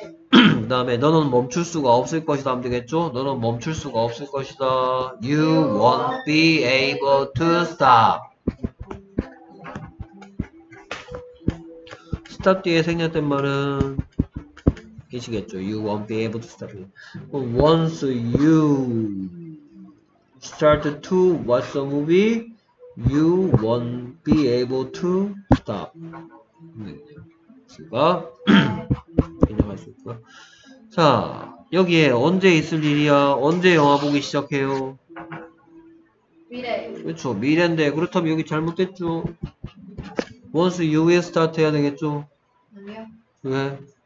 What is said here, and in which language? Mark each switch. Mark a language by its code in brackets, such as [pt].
[ko] 그 다음에 너는 멈출 수가 없을 것이다 하면 되겠죠. 너는 멈출 수가 없을 것이다. [en] You won't be able to stop. [ko] 스탑 뒤에 생략된 말은 계시겠죠. [en] You won't be able to stop. Once you start to watch the movie, you won't be able to stop. [ko] 제가 인정할 수 있고요. 자, 여기에 언제 있을 일이야? 언제 영화 보기 시작해요? 미래. 그렇죠. 미래인데 그렇다면 여기 잘못됐죠. [en] Once you start [ko] 해야 되겠죠. 왜?